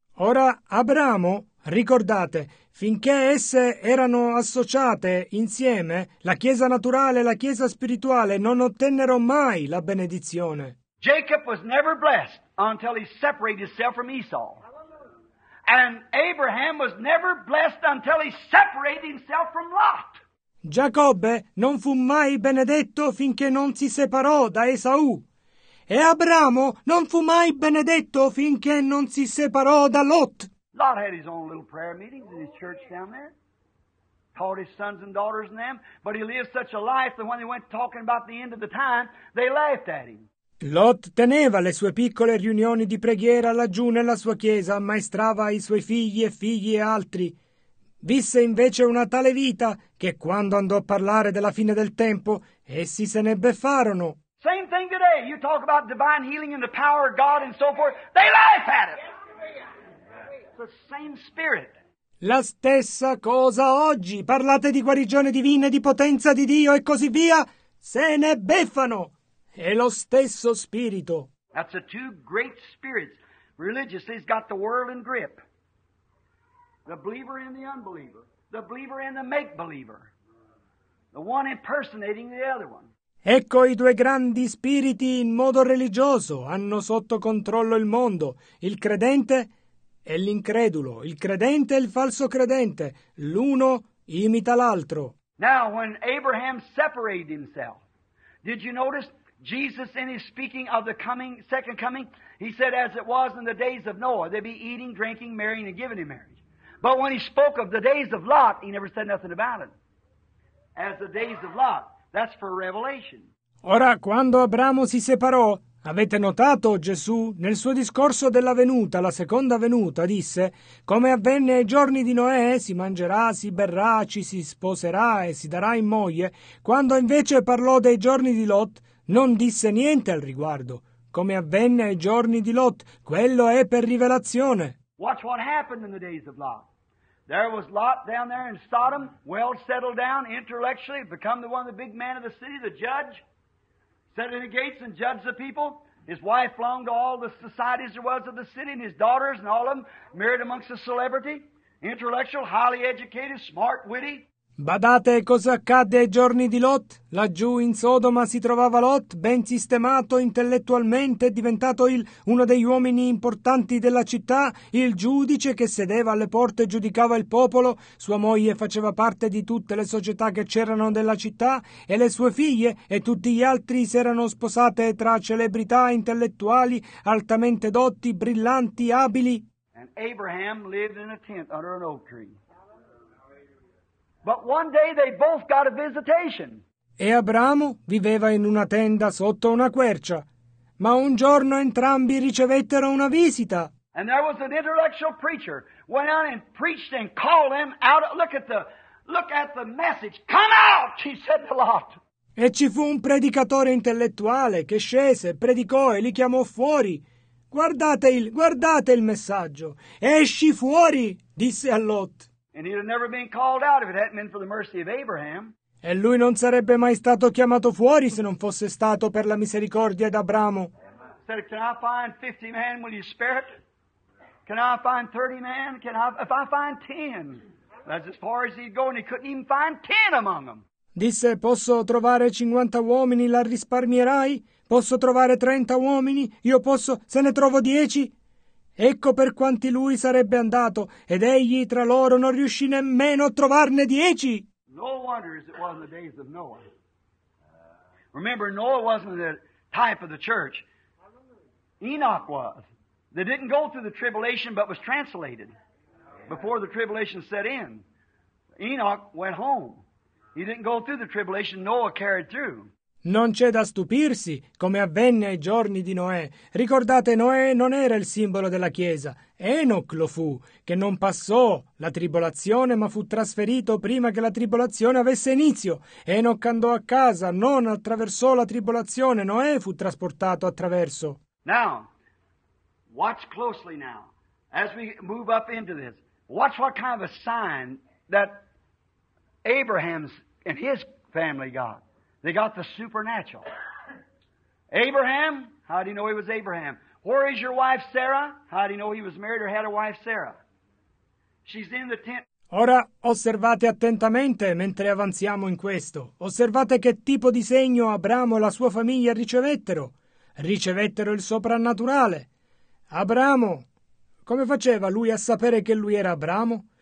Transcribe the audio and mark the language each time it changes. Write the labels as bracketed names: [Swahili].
[Italian] Ora, Abramo, ricordate, finché esse erano associate insieme, la chiesa naturale e la chiesa spirituale non ottennero mai la benedizione. [English] Jacob was never blessed until he separated himself from Esau. And Abraham was never blessed until he separated himself from Lot. [Italian] Giacobbe non fu mai benedetto finché non si separò da Esau. E Abramo non fu mai benedetto finché non si separò da Lot. [English] Lot had his own little prayer meetings in his church down there. Taught his sons and daughters in them. But he lived such a life that when they went talking about the end of the time, they laughed at him. [Italian] Lot teneva le sue piccole riunioni di preghiera laggiù nella sua chiesa, ammaestrava i suoi figli e figli e altri. Visse invece una tale vita che quando andò a parlare della fine del tempo, essi se ne beffarono. [English] Same thing today. You talk about divine healing and the power of God and so forth. They laugh at it. It's the same spirit. [Italian] La stessa cosa oggi. Parlate di guarigione divina, di potenza di Dio e così via. Se ne beffano. È lo stesso spirito. [English] That's the two great spirits. Religiously, it's got the world in grip. The believer and the unbeliever. The believer and the make-believer. The one impersonating the other one. [Italian] Ecco i due grandi spiriti in modo religioso hanno sotto controllo il mondo, il credente e l'incredulo, il credente e il falso credente, l'uno imita l'altro. [English] Now when Abraham separated himself, did you notice Jesus in his speaking of the coming, second coming, he said as it was in the days of Noah, they'd be eating, drinking, marrying and giving in marriage. But when he spoke of the days of Lot, he never said nothing about it. As the days of Lot. That's for revelation. [Italian] Ora, quando Abramo si separò, avete notato Gesù nel suo discorso della venuta, la seconda venuta, disse: come avvenne ai giorni di Noè, si mangerà, si berrà, ci si sposerà e si darà in moglie. Quando invece parlò dei giorni di Lot, non disse niente al riguardo. Come avvenne ai giorni di Lot, quello è per rivelazione. [English] Watch what happened in the days of Lot. There was Lot down there in Sodom, well settled down intellectually, become the one of the big man of the city, the judge, set in the gates and judged the people. His wife flung to all the societies there was of the city, and his daughters and all of them married amongst a celebrity, intellectual, highly educated, smart, witty. [Italian] Badate cosa accadde ai giorni di Lot. Laggiù in Sodoma si trovava Lot, ben sistemato intellettualmente, diventato uno degli uomini importanti della città, il giudice che sedeva alle porte e giudicava il popolo, sua moglie faceva parte di tutte le società che c'erano della città, e le sue figlie e tutti gli altri si erano sposate tra celebrità, intellettuali, altamente dotti, brillanti, abili. [English] And Abraham lived in a tent under an oak tree. But one day they both got a visitation. [Italian] E Abramo viveva in una tenda sotto una quercia, ma un giorno entrambi ricevettero una visita. [English] And there was an intellectual preacher went out and preached and called them out. Look at the message. Come out, he said to Lot. [Italian] E ci fu un predicatore intellettuale che scese, predicò e li chiamò fuori. Guardate il messaggio. Esci fuori, disse a Lot. [English] And he'd have never been called out if it hadn't been for the mercy of Abraham. [Italian] E lui non sarebbe mai stato chiamato fuori se non fosse stato per la misericordia d'Abramo. [English] Said, can I find 50 men? Will you spare it? Can I find 30 men? If I find 10, that's as far as he'd go, and he couldn't even find 10 among them. [Italian] Disse, posso trovare 50 uomini, la risparmierai? Posso trovare 30 uomini? Io posso, se ne trovo 10? Ecco per quanti lui sarebbe andato, ed egli tra loro non riuscì nemmeno a trovarne 10. [English] No wonder it was in the days of Noah. Remember, Noah wasn't the type of the church. Enoch was. They didn't go through the tribulation, but was translated before the tribulation set in. Enoch went home. He didn't go through the tribulation Noah carried through. [Italian] Non c'è da stupirsi, come avvenne ai giorni di Noè. Ricordate, Noè non era il simbolo della Chiesa. Enoch lo fu, che non passò la tribolazione, ma fu trasferito prima che la tribolazione avesse inizio. Enoch andò a casa, non attraversò la tribolazione. Noè fu trasportato attraverso. [English] Now, watch closely now, as we move up into this. Watch what kind of a sign that Abraham and his family got. They got the supernatural. Abraham, how do you know he was Abraham? Where is your wife Sarah? How do you know he was married or had a wife Sarah? She's in the tent. [Italian] Ora osservate attentamente mentre avanziamo in questo. Osservate che tipo di segno Abramo e la sua famiglia ricevettero. Ricevettero il soprannaturale. Abramo, come faceva lui a sapere che lui era Abramo?